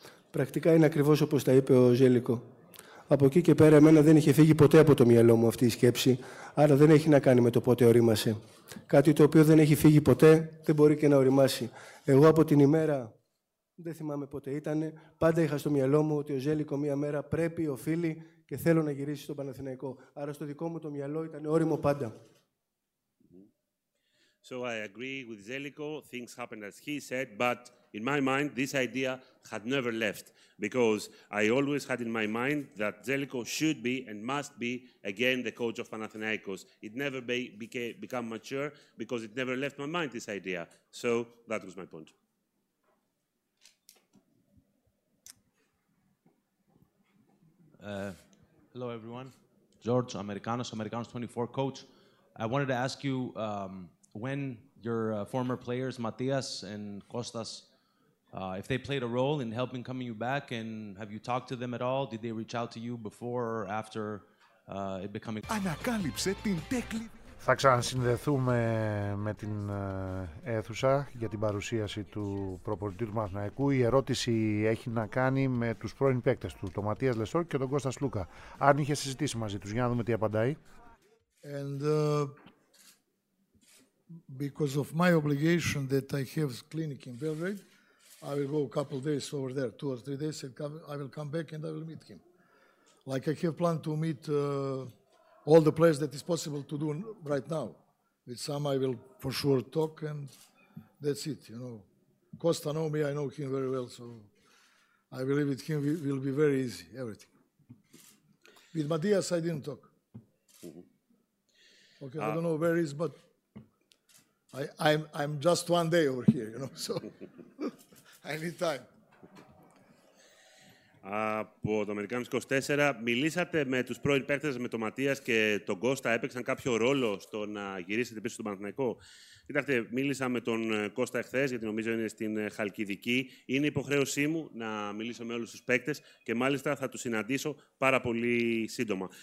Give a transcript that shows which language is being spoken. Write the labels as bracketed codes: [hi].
[el] Πρακτικά είναι ακριβώς όπως τα είπε ο Ζέλικο. Από εκεί και πέρα, εμένα δεν είχε φύγει ποτέ από το μυαλό μου αυτή η σκέψη, άρα δεν έχει να κάνει με το πότε ορίμασε. Κάτι το οποίο δεν έχει φύγει ποτέ, δεν μπορεί και να οριμάσει. Εγώ από την ημέρα, δεν θυμάμαι πότε ήταν, πάντα είχα στο μυαλό μου ότι ο Ζέλικο μία μέρα πρέπει, οφείλει και θέλω να γυρίσει στον Παναθηναϊκό. Άρα στο δικό μου το μυαλό ήταν όριμο πάντα. [en] So I agree with Zeliko, things happened as he said, but in my mind, this idea had never left, because I always had in my mind that Zeliko should be and must be again the coach of Panathinaikos. It never became mature, because it never left my mind, this idea. So that was my point. Hello, everyone. George Americanos, Americanos 24, coach. I wanted to ask you when your former players, Matias and Kostas, if they played a role in helping coming you back, and have you talked to them at all? Did they reach out to you before or after it becoming... [el] Ανακάλυψε την τέκλη... Θα ξανασυνδεθούμε με την αίθουσα για την παρουσίαση του προπονητή του Παναθηναϊκού. Η ερώτηση έχει να κάνει με τους πρώην παίκτες του, τον Ματίας Λεσόρ και τον Κώστα Σλούκα. Αν είχε συζητήσει μαζί τους, για να δούμε τι απαντάει. [en] And because of my obligation that I have clinic in Belgrade, I will go a couple days over there, two or three days, and come, I will come back and I will meet him. Like I have planned to meet all the players that is possible to do right now. With some I will for sure talk and that's it, you know. Costa know me, I know him very well, so I believe with him it will be very easy, everything. With Matias I didn't talk. Okay, I don't know where he is, but I'm just one day over here, you know, so I need time. [el] Από το Αμερικάνικο 24, μιλήσατε με τους πρώην παίκτες, με τον Ματίας και τον Κώστα, έπαιξαν κάποιο ρόλο στο να γυρίσετε πίσω στον Παναθηναϊκό? Κοιτάξτε, μίλησα με τον Κώστα εχθές, γιατί νομίζω είναι στην Χαλκιδική. Είναι υποχρέωσή μου να μιλήσω με όλους τους παίκτες και μάλιστα θα τους συναντήσω πάρα πολύ σύντομα.